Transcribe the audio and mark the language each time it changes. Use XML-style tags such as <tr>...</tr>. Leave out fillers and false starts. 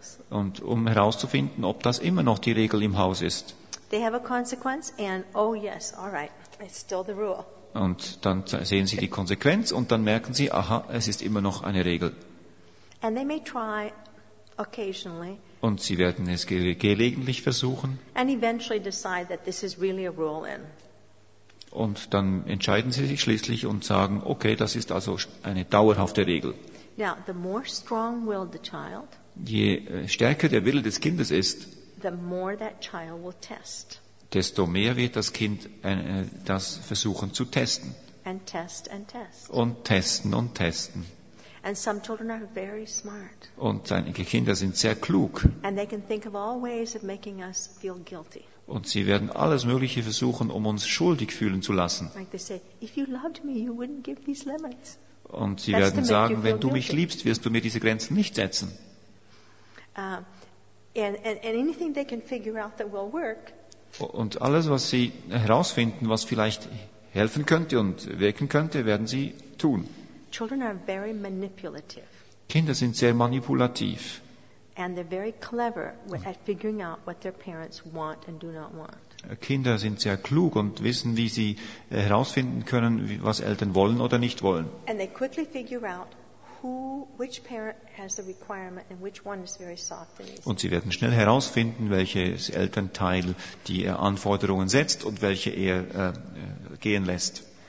<de>Und um herauszufinden, ob das immer noch die Regel im Haus ist.</de> <en>They have a consequence and oh yes, all right, it's still the rule.</en> <de>Und dann sehen sie die Konsequenz und dann merken sie, aha, es ist immer noch eine Regel.</de> <en>And they may try occasionally.</en> <de>Und sie werden es gelegentlich versuchen.</de> <en>And eventually decide that this is really a rule in.</en> <de>Und dann entscheiden sie sich schließlich und sagen, okay, das ist also eine dauerhafte Regel.</de> <en>Now, the more strong-willed the child,</en> <de>je stärker der Wille des Kindes ist,</de> <en>the more that child will test.</en> <de>Desto mehr wird das Kind das versuchen zu testen.</de> <en>And test and test.</en> <de>Und testen und testen.</de> <en>And some children are very smart.</en> <de>Und einige Kinder sind sehr klug.</de> <en>And they can think of all ways of making us feel guilty.</en> <de>Und sie werden alles Mögliche versuchen, um uns schuldig fühlen zu lassen.</de> <en>Like they say, if you loved me, you wouldn't give these limits.</en> <de>Und sie werden sagen, wenn du mich liebst, wirst du mir diese Grenzen nicht setzen.</de> <en>And anything they can figure out that will work.</en> <de>Und alles, was sie herausfinden, was vielleicht helfen könnte und wirken könnte, werden sie tun.</de> <en>Children are very manipulative.</en> <de>Kinder sind sehr manipulativ.</de> <en>And they're very clever at figuring out what their parents want and do not want.</en> <de>Kinder sind sehr klug und wissen, wie sie herausfinden können, was Eltern wollen oder nicht wollen.</de> <en>And they quickly figure out who, which parent has the requirement and which one is very soft and easy.</en> <de>Und sie werden schnell herausfinden, welches Elternteil die Anforderungen setzt und welche er gehen lässt.</de>